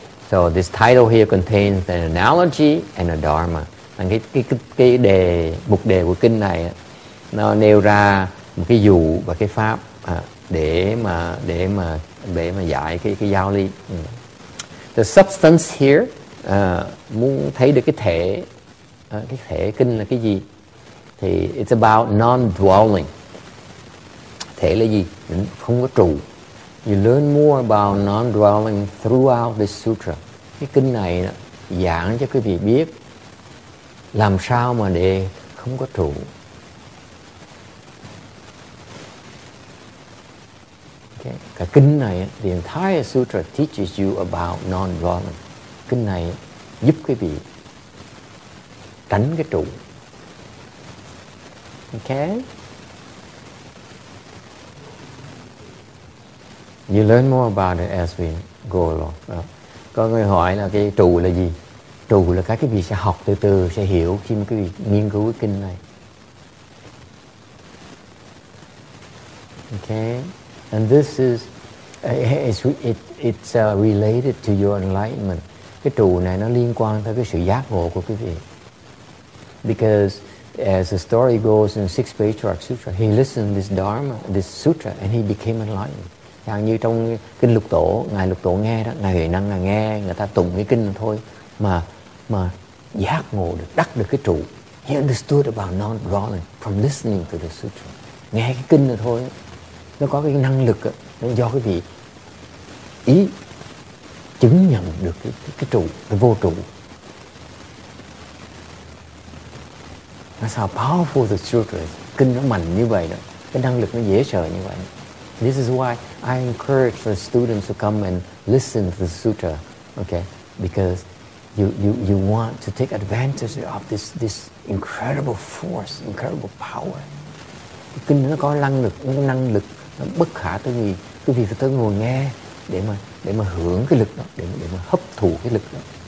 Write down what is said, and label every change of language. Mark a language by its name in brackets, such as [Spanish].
[English] So this title here contains an analogy and a dharma. [Vietnamese] And cái đề mục đề của kinh này nó nêu ra một cái dụ và cái pháp để mà giải cái giáo lý. [English] The substance here [Vietnamese] muốn thấy được cái thể kinh là cái gì thì [English] it's about non-dwelling. [Vietnamese] Thể là gì? Không có trụ. [English] You learn more about non-dwelling throughout this sutra. [Vietnamese] Cái kinh này giảng cho quý vị biết làm sao mà để không có trụ. [English] Okay. Cả kinh này, the entire sutra teaches you about non-dwelling. [Vietnamese] Kinh này giúp quý vị tránh cái trụ. [English] Okay? You learn more about it as we go along. [Vietnamese] Có người hỏi là cái trụ là gì? Trụ là cái vị sẽ học từ từ, sẽ hiểu khi mà quý vị nghiên cứu cái kinh này. [English] Okay. And this is It's related to your enlightenment. [Vietnamese] Cái trụ này nó liên quan tới cái sự giác ngộ của quý vị. [English] Because as the story goes in the Sixth Patriarch Sutra, he listened to this Dharma, this Sutra, and he became enlightened. [Vietnamese] Chẳng như trong kinh Lục Tổ, ngài Lục Tổ nghe đó, ngài Huệ Năng ngài nghe người ta tụng cái kinh thôi mà giác ngộ được, đắc được cái trụ. [English] He understood about non-dwelling from listening to the sutra. [Vietnamese] Nghe cái kinh này thôi, nó có cái năng lực đó, nó do cái gì? Ý chứng nhận được cái trụ, cái vô trụ. [English] That's how powerful the sutra is. [Vietnamese] Kinh nó mạnh như vậy đó, cái năng lực nó dễ sợ như vậy. [English] This is why I encourage the students to come and listen to the sutra, okay? Because you want to take advantage of this incredible force, incredible power. [Vietnamese] Kinh nó có năng lực nó bất khả tư nghị. Quý vị phải tới ngồi nghe để mà hưởng cái lực đó, để mà hấp thụ cái lực đó.